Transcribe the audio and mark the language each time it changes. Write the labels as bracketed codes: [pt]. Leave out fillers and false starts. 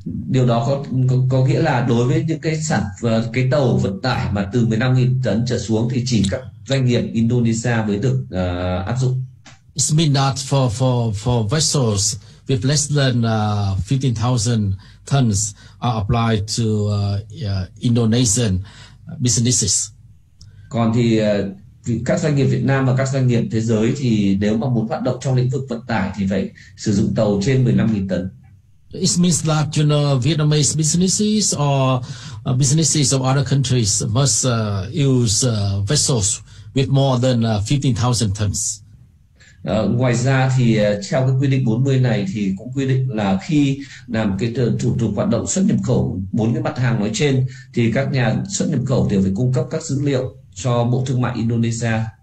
[vi] Điều đó có nghĩa là đối với những cái sản cái tàu vận tải mà từ 15.000 tấn trở xuống thì chỉ các doanh nghiệp Indonesia mới được áp dụng. [en] It means that for vessels with less than 15,000 tons are applied to Indonesian businesses. [vi] Còn thì các doanh nghiệp Việt Nam và các doanh nghiệp thế giới thì nếu mà muốn hoạt động trong lĩnh vực vận tải thì phải sử dụng tàu trên 15.000 tấn. [en] It means that you know, Vietnamese businesses or businesses of other countries must use vessels with more than 15,000 tons. [vi] Ngoài ra thì theo cái quy định 40 này thì cũng quy định là khi làm cái thủ tục hoạt động xuất nhập khẩu bốn cái mặt hàng nói trên thì các nhà xuất nhập khẩu đều phải cung cấp các dữ liệu cho Bộ Thương mại Indonesia.